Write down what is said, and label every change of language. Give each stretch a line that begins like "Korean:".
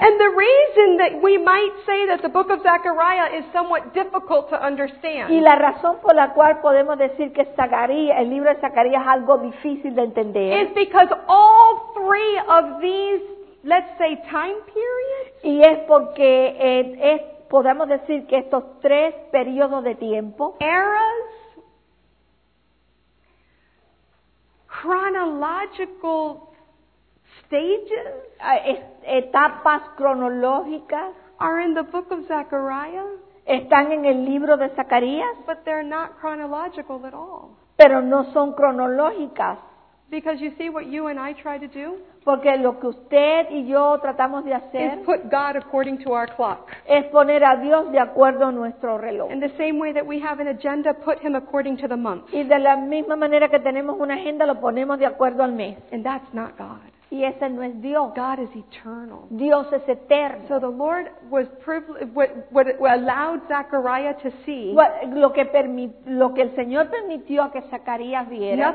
English: And the reason that we might say that the book of Zechariah is somewhat difficult to understand.
Spanish: Y la razón por la cual podemos decir que Zacarías, el libro de Zacarías es algo difícil de entender.
English: Is because all three of these, let's say, time periods.
Spanish: Y es porque podemos decir que estos tres periodos de tiempo.
English: Eras. Chronological stages,
Spanish: etapas cronológicas,
English: are in the book of Zechariah.
Spanish: Están en el libro de Zacarías,
English: but they're not chronological at all.
Spanish: Pero no son cronológicas.
English: Because you see what you and I try to do.
Spanish: Porque lo que usted y yo tratamos de hacer.
English: Is put God according to our clock.
Spanish: Es poner a Dios de acuerdo a nuestro reloj.
English: In the same way that we have an agenda, put Him according to the month.
Spanish: Y de la misma manera que tenemos una agenda, lo ponemos de acuerdo al mes.
English: And that's not God.
Spanish: Y ese no es Dios.
English: God is eternal.
Spanish: Dios es eterno.
English: So the Lord was what allowed Zechariah to see.
Spanish: Lo que el Señor permitió que Zacarías viera.